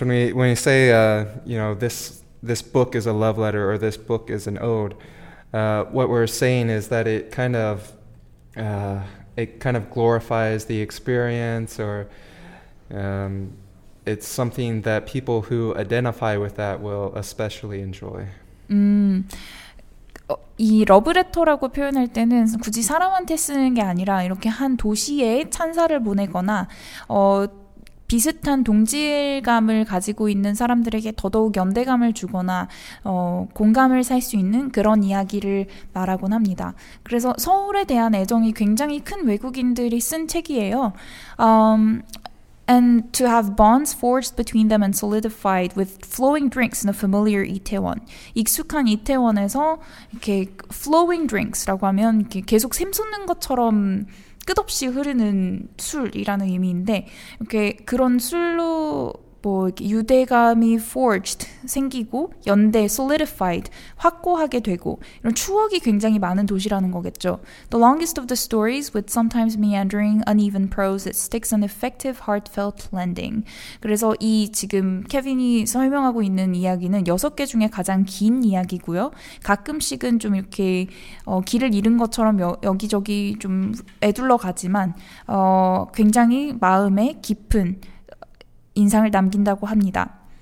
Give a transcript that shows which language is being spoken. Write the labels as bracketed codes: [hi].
[en] When we say, this book is a love letter or this book is an ode, what we're saying is that it kind of glorifies the experience, or it's something that people who identify with that will especially enjoy. [ko] 이 러브레터라고 표현할 때는 굳이 사람한테 쓰는 게 아니라 이렇게 한 도시에 찬사를 보내거나 비슷한 동질감을 가지고 있는 사람들에게 더더욱 연대감을 주거나 공감을 살 수 있는 그런 이야기를 말하곤 합니다. 그래서 서울에 대한 애정이 굉장히 큰 외국인들이 쓴 책이에요. [en] And to have bonds forged between them and solidified with flowing drinks in a familiar Itaewon. [ko] 익숙한 이태원에서 이렇게 [en] flowing drinks [ko] 라고 하면 이렇게 계속 샘솟는 것처럼 끝없이 흐르는 술이라는 의미인데 이렇게 그런 술로 뭐 이렇게 유대감이 forged 생기고 연대 solidified 확고하게 되고 이런 추억이 굉장히 많은 도시라는 거겠죠. [en] The longest of the stories with sometimes meandering uneven prose it sticks an effective heartfelt landing. [ko] 그래서 이 지금 케빈이 설명하고 있는 이야기는 여섯 개 중에 가장 긴 이야기고요. 가끔씩은 좀 이렇게 길을 잃은 것처럼 여기저기 좀 애둘러 가지만 굉장히 마음에 깊은 인상을 남긴다고 합니다.